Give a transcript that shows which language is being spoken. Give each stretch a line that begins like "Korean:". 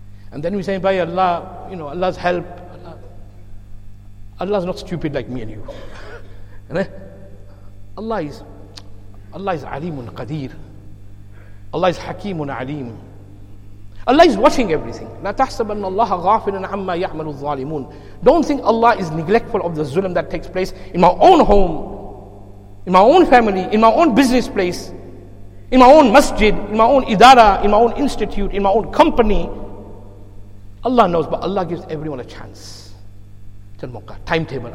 English: And then we say, by Allah, Allah's help. Allah's not stupid like me and you. Allah is alimun qadir. Allah is hakimun alim. Allah is watching everything.
Arabic: لا تحسب أن الله غافلا عما يعمل الظالمون.
English: Don't think Allah is neglectful of the zulm that takes place in my own home, in my own family, in my own business place, in my own masjid, in my own idara, in my own institute, in my own company. Allah knows, but Allah gives everyone a chance. Tilmuqa, timetable.